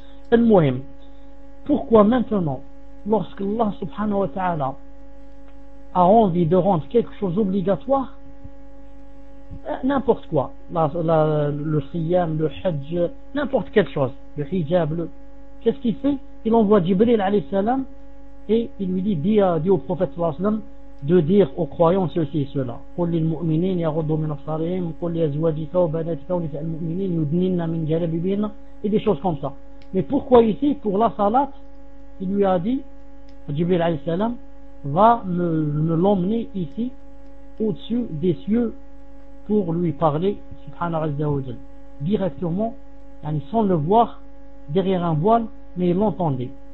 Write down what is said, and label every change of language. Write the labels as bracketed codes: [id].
[fr] Al-Muhim, pourquoi maintenant, lorsque Allah subhanahu wa ta'ala a envie de rendre quelque chose obligatoire, n'importe quoi, le siyam, le hajj, n'importe quelle chose, le hijab, qu'est-ce qu'il fait? Il envoie Jibril alayhi salam et il lui dit, dis au prophète sallallahu alayhi wa sallam, de dire aux croyants ceci et cela. [ar] قل للمؤمنين يغضوا من أبصارهم قل لأزواجك وبناتك ونساء المؤمنين يدنين من جلابيبهن [fr] et des choses comme ça. Mais pourquoi ici, pour la salat, il lui a dit, Jibril alayhi salam, va me l'emmener ici, au-dessus des cieux, pour lui parler, subhanahu wa ta'ala, directement, sans le voir, derrière un voile, mais il l'entendait.